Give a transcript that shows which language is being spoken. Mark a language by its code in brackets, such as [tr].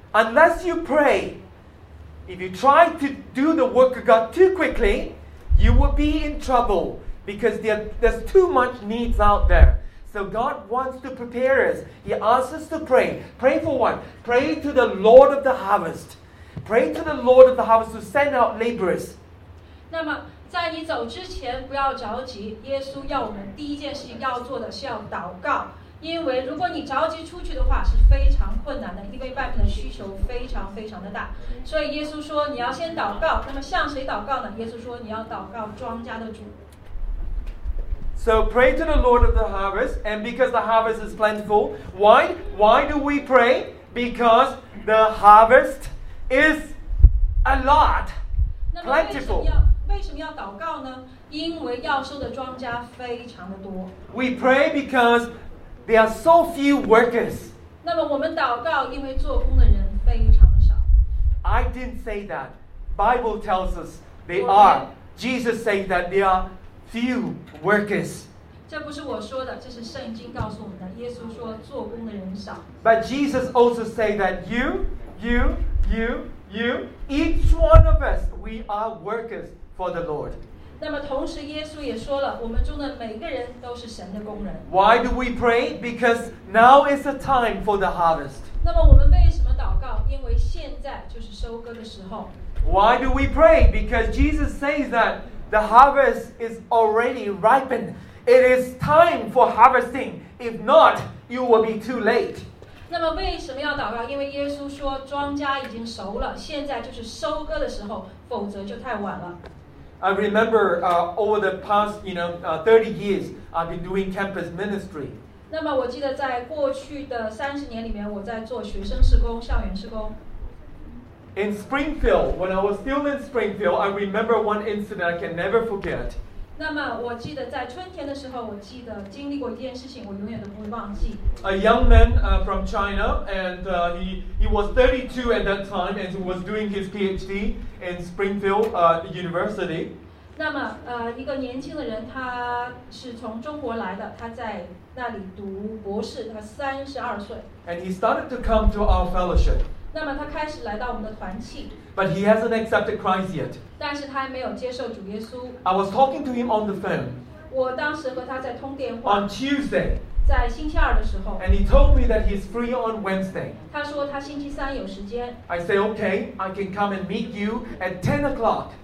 [en] Unless you pray, if you try to do the work of God too quickly, you will be in trouble.Because there's too much needs out there. So God wants to prepare us. He asks us to pray. Pray for what? Pray to the Lord of the harvest. Pray to the Lord of the harvest to send out laborers. [zh] 那么在你走之前不要着急，耶稣要我们第一件事情要做的是要祷告，因为如果你着急出去的话是非常困难的，因为外面的需求非常非常的大。所以耶稣说你要先祷告，那么向谁祷告呢？耶稣说你要祷告庄稼的主。 [en] So pray to the Lord of the harvest, and because the harvest is plentiful, why do we pray? Because the harvest is a lot, plentiful. [zh] 那么为什么要祷告呢？因为要收的庄稼非常的多。 [en] We pray because there are so few workers. [zh] 那么我们祷告因为做工的人非常的少。 [en] I didn't say that. Bible tells us they are. Jesus said that they are. Few workers. [zh] 这不是我说的，这是圣经告诉我们的。耶稣说，做工的人少。 [en] But Jesus also said that you, each one of us, we are workers for the Lord. [zh] 那么同时，耶稣也说了，我们中的每个人都是神的工人。 [en] Why do we pray? Because now is the time for the harvest. [zh] 那么我们为什么祷告？因为现在就是收割的时候。 [en] Why do we pray? Because Jesus says that. The harvest is already ripened. It is time for harvesting. If not, you will be too late. [zh] 那么为什么要祷告？因为耶稣说庄稼已经熟了，现在就是收割的时候，否则就太晚了。 [en] I remember over the past, 30 years, I've been doing campus ministry. [zh] 那么我记得在过去的30年里面，我在做学生事工、校园事工。 [en] In Springfield, when I was still in Springfield, I remember one incident I can never forget. [zh] 那么我记得在春天的时候，我记得经历过一件事情，我永远都不会忘记。 [en] A young man from China, and he was 32 at that time, and he was doing his PhD in Springfield University. [zh] 那么一个年轻的人，他是从中国来的，他在那里读博士，他32岁。 [en] And he started to come to our fellowship. [zh] 那么他开始来到我们的团契。 [en] But he hasn't accepted Christ yet. [zh] 但是他还没有接受主耶稣。 [en] I was talking to him on the phone. [zh] 我当时和他在通电话。 [en] On Tuesday. [zh] 在星期二的时候。 [en] And he told me that he's free on Wednesday. [zh] 他说他星期三有时间。 [en] I say, okay, I can come and meet you at 10 o'clock.